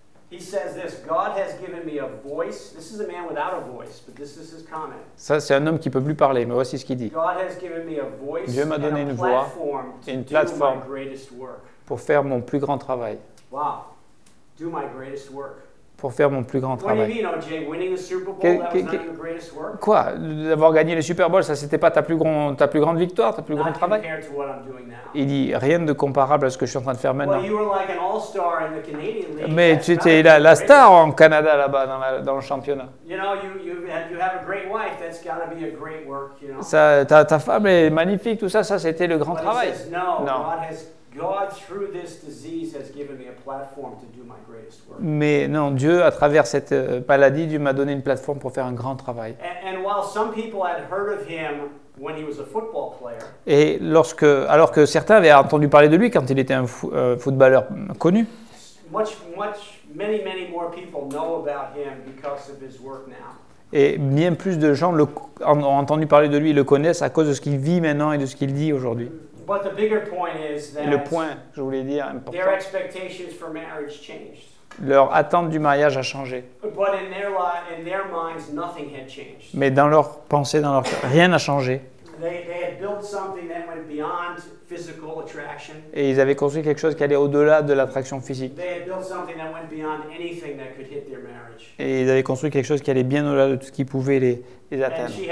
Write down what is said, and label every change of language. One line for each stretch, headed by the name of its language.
English: He says this, God has given me a voice. This is a man without a voice, but this is his comment.
French: Ça, c'est un homme qui peut plus parler, mais voici ce qu'il dit.
English: God has given me a voice.
French: Dieu m'a donné
English: and a
French: une voix et une plateforme pour faire mon plus grand travail.
English: Wow. Do my greatest work.
French: Pour faire mon plus grand travail.
English: What do you mean, OJ, winning the Super Bowl, that was not your greatest work?
French: Quoi? D'avoir gagné le Super Bowl, ça c'était pas ta plus grande victoire, ta plus
English: not
French: grand travail?
English: Compared to what I'm doing now.
French: Il dit, rien de comparable à ce que je suis en train de faire maintenant.
English: Well, you were like an all-star in the Canadian League.
French: Mais tu étais la star en Canada, là-bas, dans le championnat.
English: You know, you have a great wife, that's got to be a great work, you know?
French: Ça, ta femme est magnifique, tout ça c'était le grand
English: But
French: travail.
English: Says, no, non. God through this disease has given me a platform to do my greatest work.
French: Mais non, Dieu à travers cette maladie, Dieu m'a donné une plateforme pour faire un grand travail.
English: And while some people had heard of him when he was a football player.
French: Et alors que certains avaient entendu parler de lui quand il était un footballeur connu.
English: Many more people know about him because of his work now.
French: Et bien plus de gens ont entendu parler de lui et le connaissent à cause de ce qu'il vit maintenant et de ce qu'il dit aujourd'hui.
English: But the bigger point is that
French: le point, je voulais dire, important.
English: Their expectations for marriage changed.
French: Leur attente du mariage a changé.
English: But in their minds, nothing had changed.
French: Mais dans leur pensée, dans leur cœur, rien n'a changé.
English: They had built something that went beyond physical attraction.
French: Et ils avaient construit quelque chose qui allait au-delà de l'attraction physique.
English: They had built something that went beyond anything that could hit their marriage.
French: Et ils avaient construit quelque chose qui allait bien au-delà de tout ce qui pouvait les atteindre